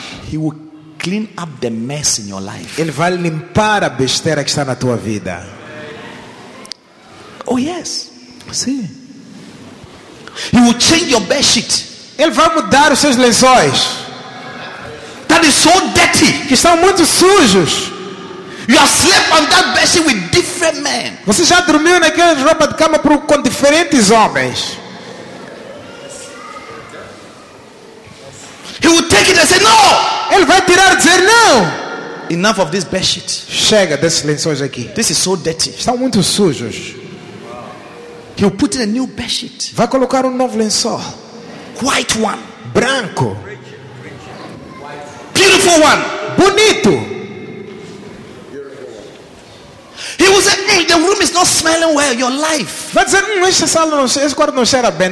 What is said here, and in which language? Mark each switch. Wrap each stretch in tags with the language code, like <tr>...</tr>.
<en>he will clean up the mess in your life.</en> <pt>Ele vai limpar a besteira que está na tua vida.</pt> <en>Oh yes.</en> <pt>Sim.</pt> <en>He will change your bedsheet.</en> <pt>Ele vai mudar os seus lençóis.</pt> <en>That is so dirty.</en> <pt>Que estão muito sujos.</pt> <en>You have slept on that bedsheet with different men.</en> <pt>Você já dormiu naquela roupa de cama com diferentes homens.</pt> <en>He will take it and say no.</en> <pt>Ele vai tirar e dizer não.</pt> <en>Enough of this bedsheet.</en> <pt>Chega desses lençóis aqui.</pt> <en>This is so dirty.</en> <pt>Estão muito sujos.</pt> <en>He will put in a new bedsheet.</en> <pt>Vai colocar novo lençol.</pt> <en>White one.</en> <pt>Branco.</pt> <en>Beautiful one.</en> <pt>Bonito.</pt> <en>He will say, the room is not smelling well. Your life.</en> <pt>Vai dizer, esta sala não, esse quarto não cheira bem.</pt>